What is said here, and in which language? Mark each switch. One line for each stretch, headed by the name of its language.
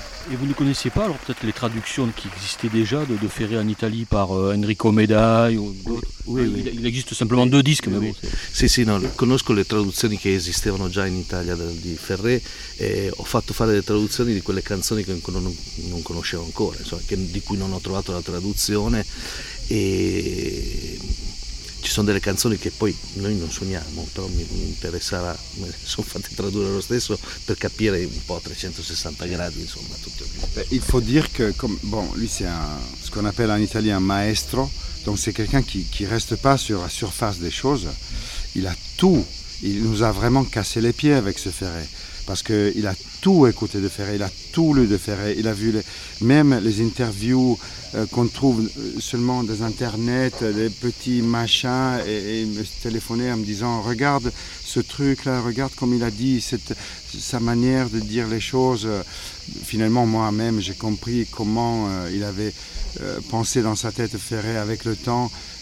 French: Et vous ne connaissiez pas alors peut-être les traductions qui existaient déjà de Ferré en Italie par Enrico Medaille ou d'autres. Oui, oui, il existe simplement deux disques. Oui, mais bon, c'est...
Italian: Sì, sì, no, conosco le traduzioni che esistevano già in Italia di Ferré e ho fatto fare le traduzioni di quelle canzoni che non conoscevo ancora, insomma, che, di cui non ho trovato la traduzione. E ci sono delle canzoni che poi noi non suoniamo, però mi interesserà, me le sono fatte tradurre lo stesso per capire un po' a 360 gradi, insomma, tutto.
French: Il faut dire que comme bon, lui c'est un ce qu'on appelle en italien maestro, donc c'est quelqu'un qui reste pas sur la surface des choses. Il a tout, il nous a vraiment cassé les pieds avec ce Ferré parce que il a tout écouté de Ferré, il a tout lu de Ferré, il a vu même les interviews qu'on trouve seulement des internets, des petits machins, et me téléphoner en me disant « Regarde ce truc-là, regarde comme il a dit, sa manière de dire les choses. » Finalement, moi-même, j'ai compris comment il avait pensé dans sa tête Ferré avec le temps.